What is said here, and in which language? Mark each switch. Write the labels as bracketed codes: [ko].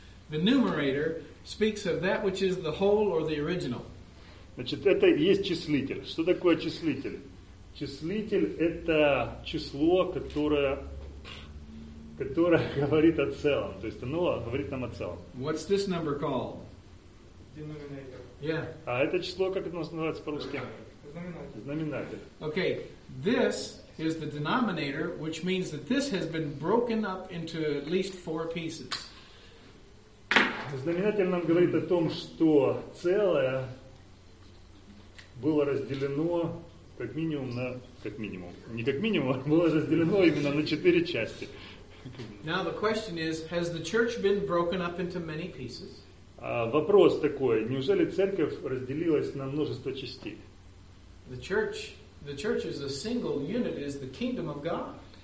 [en] The numerator speaks of that which is the whole or the original. [ru] Значит, это есть числитель. Что такое числитель? Числитель — это число, которое говорит о целом. То есть оно говорит нам о целом. [en] What's this number called? Denominator. Yeah. [ru] А это число, как оно называется по-русски? Знаменатель. Знаменатель. [en] Okay. This is the denominator, which means that this has been broken up into at least four pieces. [ru] Знаменатель нам говорит о том, что целое было разделено как минимум на... Как минимум. Не как минимум, а было разделено именно на четыре части. [en] Now the question is, has the church been broken up into many pieces? [ru] Вопрос такой, неужели церковь разделилась на множество частей? [en] The church is a single unit, is the kingdom of God.